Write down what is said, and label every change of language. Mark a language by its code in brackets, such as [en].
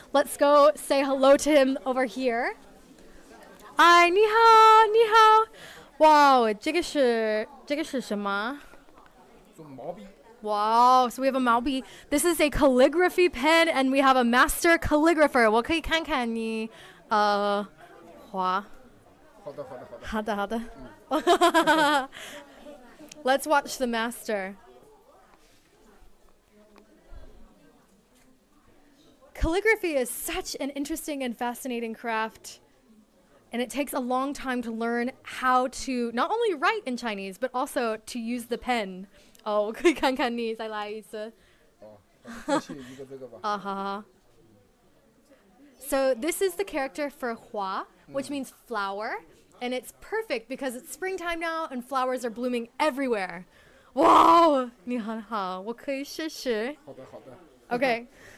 [en] Let's go say hello to him over here. Hi, [zh] 你好,你好. Wow, 这个是什么? 毛笔. [en] Wow, so we have a Maobi. This is a calligraphy pen, and we have a master calligrapher. [zh] 我可以看看你, 画. 好的。好的,好的。好的,好的。 [en] Let's watch the master. Calligraphy is such an interesting and fascinating craft. And it takes a long time to learn how to not only write in Chinese, but also to use the pen. [zh] Oh, 可以看看你再来一次。 uh-huh. [en] So this is the character for hua, which means flower. And it's perfect because it's springtime now and flowers are blooming everywhere. [zh] Wow, 你很好,我可以试试。Okay.